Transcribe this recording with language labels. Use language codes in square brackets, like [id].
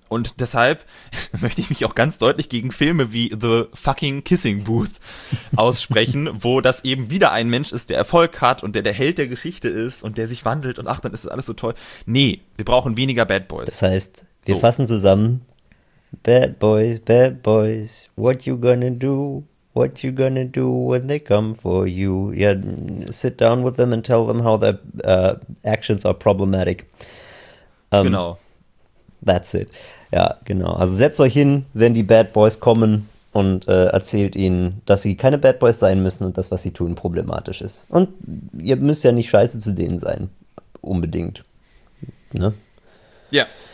[de] Und deshalb möchte ich mich auch ganz deutlich gegen Filme wie The Fucking Kissing Booth aussprechen, wo das eben wieder ein Mensch ist, der Erfolg hat und der Held der Geschichte ist und der sich wandelt und ach, dann ist das alles so toll. Nee, wir brauchen weniger Bad Boys. Das heißt, wir fassen zusammen. [en] Bad Boys, what you gonna do when they come for you? Yeah, sit down with them and tell them how their actions are problematic. [de] Genau. [en] That's it. [de] Ja, genau. Also setzt euch hin, wenn die Bad Boys kommen und erzählt ihnen, dass sie keine Bad Boys sein müssen und das, was sie tun, problematisch ist. Und ihr müsst ja nicht scheiße zu denen sein. Unbedingt. Ne? Ja. Yeah.